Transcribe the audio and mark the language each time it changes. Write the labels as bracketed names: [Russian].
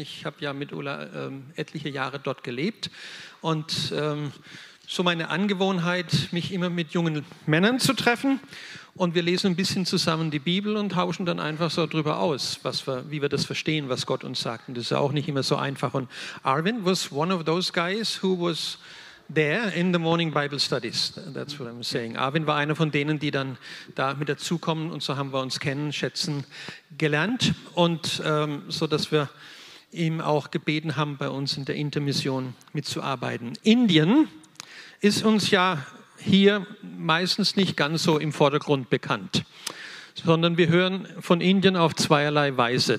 [German] Ich habe ja mit Ulla etliche Jahre dort gelebt und so meine Angewohnheit, mich immer mit jungen Männern zu treffen, und wir lesen ein bisschen zusammen die Bibel und tauschen dann einfach so drüber aus, wie wir das verstehen, was Gott uns sagt. Und das ist auch nicht immer so einfach. [English] Und Arvind was one of those guys who was there in the morning Bible studies. That's what I'm saying. [German] Arvind war einer von denen, die dann da mit dazukommen, und so haben wir uns kennen, schätzen, gelernt, und so dass wir ihm auch gebeten haben, bei uns in der Intermission mitzuarbeiten. Indien ist uns ja hier meistens nicht ganz so im Vordergrund bekannt, sondern wir hören von Indien auf zweierlei Weise.